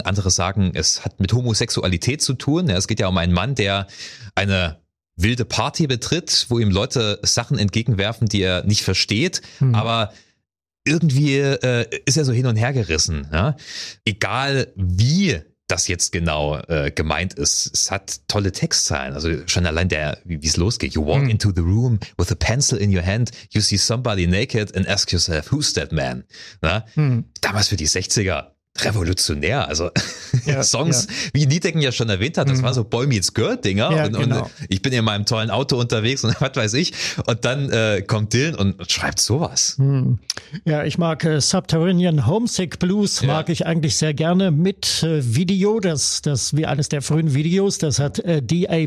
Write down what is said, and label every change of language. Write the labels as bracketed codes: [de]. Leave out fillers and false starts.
[de] Andere sagen, es hat mit Homosexualität zu tun. Ja, es geht ja um einen Mann, der eine wilde Party betritt, wo ihm Leute Sachen entgegenwerfen, die er nicht versteht, aber irgendwie ist er so hin und her gerissen. Ja? Egal, wie das jetzt genau gemeint ist, es hat tolle Textzeilen. Also schon allein der, wie es losgeht. [en] You walk into the room with a pencil in your hand, you see somebody naked and ask yourself, who's that man? [de] Ja? Hm. Damals für die 60er. Revolutionär, also Songs, wie Niedeken ja schon erwähnt hat, das war so Boy Meets Girl-Dinger und ich bin in meinem tollen Auto unterwegs und was weiß ich und dann kommt Dylan und schreibt sowas. Ja, ich mag Subterranean Homesick Blues, mag ich eigentlich sehr gerne mit Video, das wie eines der frühen Videos, das hat D.A.